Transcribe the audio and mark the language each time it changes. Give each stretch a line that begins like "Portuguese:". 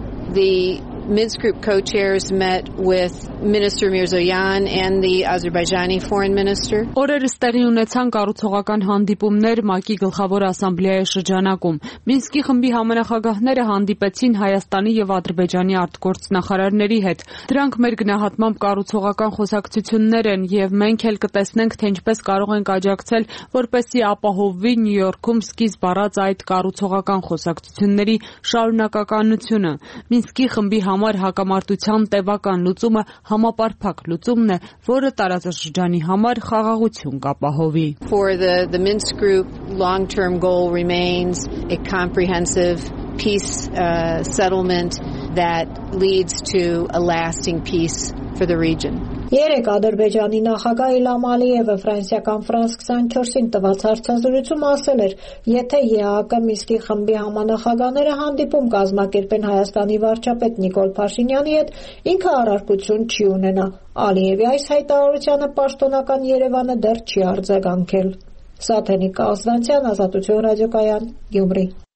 English: The Minsk Group co-chairs met with Minister Mirzoyan and the Azerbaijani foreign minister.
Armenian: Օրերս տեղի ունեցան կառուցողական հանդիպումներ ՄԱԿ-ի գլխավոր ասամբլեայի շրջանակում։ Մինսկի խմբի համանախագահները հանդիպեցին Հայաստանի եւ Ադրբեջանի արտգործնախարարների հետ։ Դրանք մեր գնահատմամբ կառուցողական խոսակցություններ են եւ մենք էլ կտեսնենք, թե ինչպես կարող ենք աջակցել, որպեսզի ապահովվի Նյու Յորքում սկիզբ առած այդ կառուցողական խոսակցությունների շարունակականությունը։ Մինսկի խմբի համար հակամարտության տևական լուծումը համապարփակ լուծումն է, որը տարածաշրջանի համար խաղաղություն կապահովի։
English: For the Minsk group long-term goal remains a comprehensive peace settlement that leads to a lasting peace for the region.
Armenian: Երեք Ադրբեջանի նախագահ Իլհամ Ալիևը ֆրանսիական France 24-ին տված հարցազրույցում ասել էր, եթե ԵԱԿ-ը Միսկի խմբի համանախագաները հանդիպում կազմակերպեն Հայաստանի վարչապետ Նիկոլ Փաշինյանի հետ, ինքը առարկություն չի ունենա։ Ալիևի այս հայտարարությանը պաշտոնական Երևանը դեռ չի արձագանքել։ Սաթենի Կազմանցյան, Ազատություն ռադիոկայան, Գյումրի։